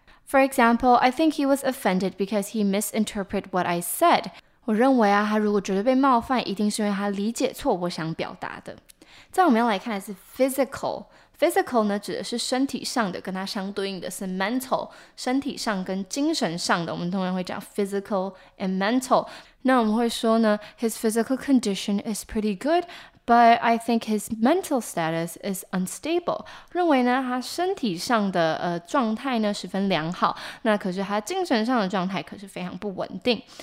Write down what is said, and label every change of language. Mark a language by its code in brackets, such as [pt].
[en] For example， I think he was offended because he misinterpreted what I said。 [zh] 我认为啊，他如果觉得被冒犯，一定是因为他理解错我想表达的。再我们要来看的是 physical， physical 呢指的是身体上的，跟它相对应的是 mental， 身体上跟精神上的，我们通常会讲 [en] physical and mental。 [zh] 那我们会说呢， [en] his physical condition is pretty good， but I think his mental status is unstable。 [zh] 认为呢他身体上的状态呢十分良好，那可是他精神上的状态可是非常不稳定。